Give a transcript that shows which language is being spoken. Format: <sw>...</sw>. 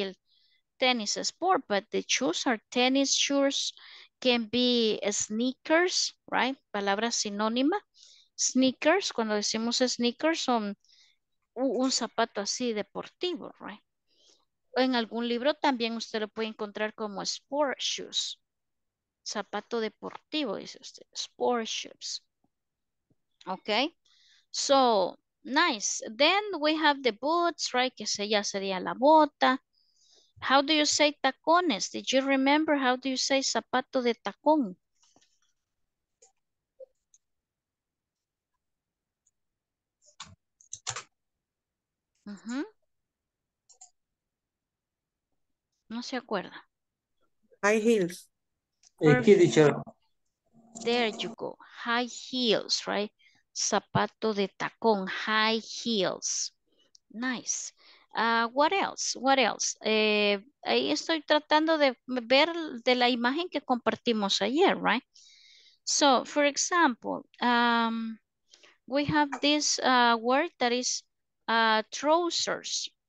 <en>El tennis sport, but the shoes are tennis shoes, can be sneakers, right?</en> <es>Palabra sinónima. Sneakers, cuando decimos sneakers, son un zapato así deportivo, right? En algún libro también usted lo puede encontrar como sport shoes. Zapato deportivo, dice usted.</es> <en>Sport shoes.</en> <es>Okay?</es> <en>So, nice. Then we have the boots, right?</en> <es>Que ya sería la bota.</es> <en>How do you say</en> <es>tacones?</es> <en>Did you remember how do you say</en> <es>zapato de tacón? No se acuerda.</es> <en>High heels. There you go. High heels, right?</en> <es>Zapato de tacón.</es> <en>High heels. Nice. What else? What else?</en> <es>Ahí estoy tratando de ver de la imagen que compartimos ayer, right?</es> <en>So, for example, we have this word that is trousers.</en>